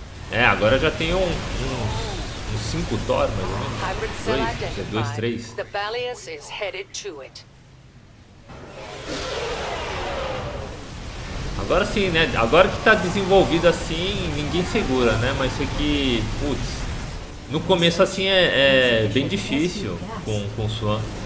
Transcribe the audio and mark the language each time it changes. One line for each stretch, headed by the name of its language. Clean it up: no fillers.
Portuguese: É, agora já tem uns 5 Thor, mais ou menos. 2, 3.
English: The Balias is headed to it.
Portuguese: Agora sim, né? Agora que tá desenvolvido assim, ninguém segura, né? Mas isso aqui, putz, no começo assim é bem difícil com o Swan.